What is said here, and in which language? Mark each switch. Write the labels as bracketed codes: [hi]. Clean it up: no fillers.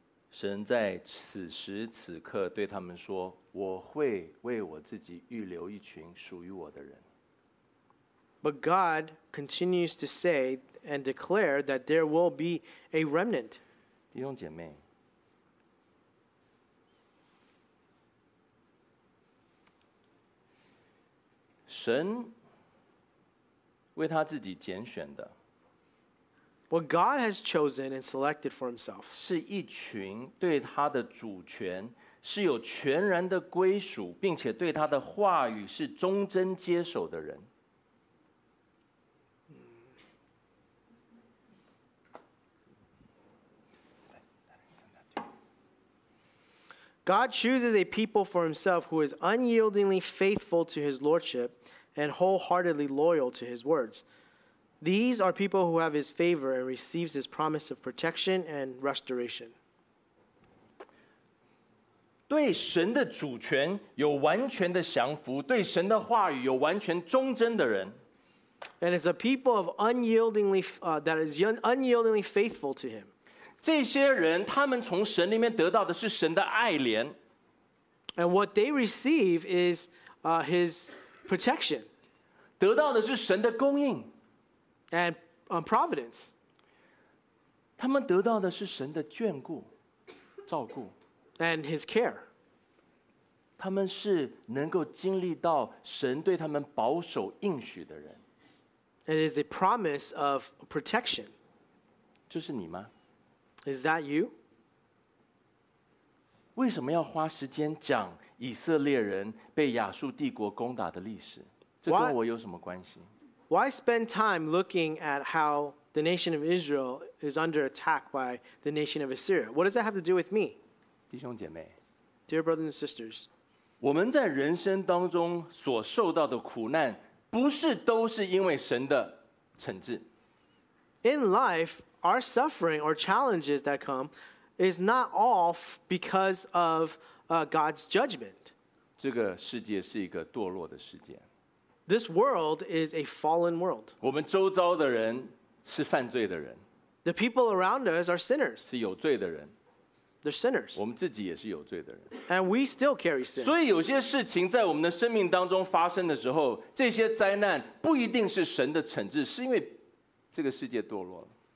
[zh] 神在此时此刻对他们说，我会为我自己预留一群属于我的人。 [en] But God continues to say and declare that there will be a remnant. [zh] 弟兄姐妹，神为他自己拣选的。 [en] What God has chosen and selected for himself. [zh] 是一群对他的主权是有全然的归属，并且对他的话语是忠贞接守的人。 [en] God chooses a people for himself who is unyieldingly faithful to his lordship and wholeheartedly loyal to his words. These are people who have his favor and receives his promise of protection and restoration. [zh] 对神的主权有完全的降服，对神的话语有完全忠贞的人。 [en] And it's a people of unyieldingly, that is unyieldingly faithful to him. [zh] 这些人，他们从神里面得到的是神的爱怜。 [en] And what they receive is his protection. [zh] 得到的是神的供应。 [en] And providence. [zh] 他们得到的是神的眷顾、照顾。 [en] And his care. [zh] 他们是能够经历到神对他们保守应许的人。 [en] It is a promise of protection. [zh] 这是你吗？ [en] Is that you? [zh] 为什么要花时间讲以色列人被亚述帝国攻打的历史？这跟我有什么关系？ [en] Why spend time looking at how the nation of Israel is under attack by the nation of Assyria? What does that have to do with me? [zh] 弟兄姐妹， [en] Dear brothers and sisters, [zh] 我们在人生当中所受到的苦难不是都是因为神的惩治。 [en] In life, our suffering or challenges that come is not all because of God's judgment. [zh] 这个世界是一个堕落的世界。 [en] This world is a fallen world. [zh] 我们周遭的人是犯罪的人。 [en] The people around us are sinners. [zh] 是有罪的人。 [en] They're sinners. [zh] 我们自己也是有罪的人。 [en] And we still carry sin. [zh] 所以有些事情在我们的生命当中发生的时候，这些灾难不一定是神的惩治，是因为这个世界堕落了。